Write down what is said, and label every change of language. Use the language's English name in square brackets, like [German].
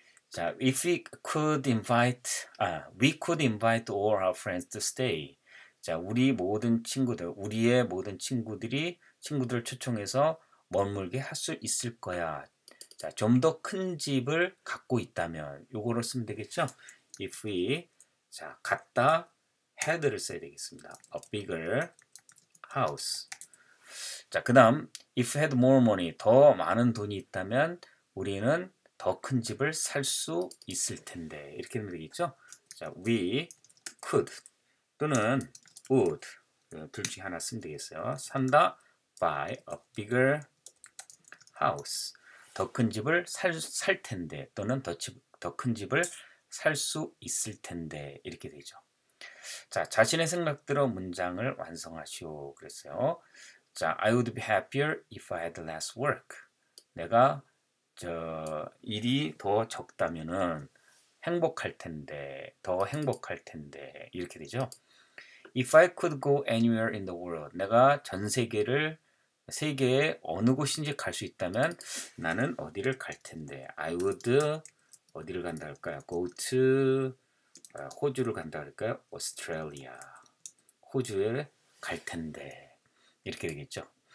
[English] 자, if we could invite, we could invite all our friends to stay. [Korean] 자, 우리 모든 친구들, 우리의 모든 친구들이 친구들을 초청해서 머물게 할 수 있을 거야. 자, 좀 더 큰 집을 갖고 있다면 요거를 쓰면 되겠죠. [English] If we [Korean] 자, 갖다 had를 써야 되겠습니다. [English] A bigger house. [Korean] 자, 그다음 [English] if we had more money [Korean] 더 많은 돈이 있다면 우리는 더 큰 집을 살 수 있을 텐데. 이렇게 되면 되겠죠? 자, [English] we could [Korean] 또는 would 둘 중에 하나 쓰면 되겠어요. 산다 [English] buy a bigger house. [Korean] 더 큰 집을 살 텐데 또는 더 큰 집을 살 수 있을 텐데 이렇게 되죠. 자, 자신의 생각대로 문장을 완성하시오 그랬어요. [English] 자, I would be happier if I had less work. [Korean] 내가 일이 더 적다면은 행복할 텐데 더 행복할 텐데 이렇게 되죠. [English] If I could go anywhere in the world. [Korean] 내가 전 세계를 세계에 어느 곳인지 갈 수 있다면 나는 어디를 갈 텐데 [English] I would [Korean] 어디를 간다 할까요? [English] Go to [Korean] 호주를 간다 할까요? Australia 호주에 갈 텐데 이렇게 되겠죠.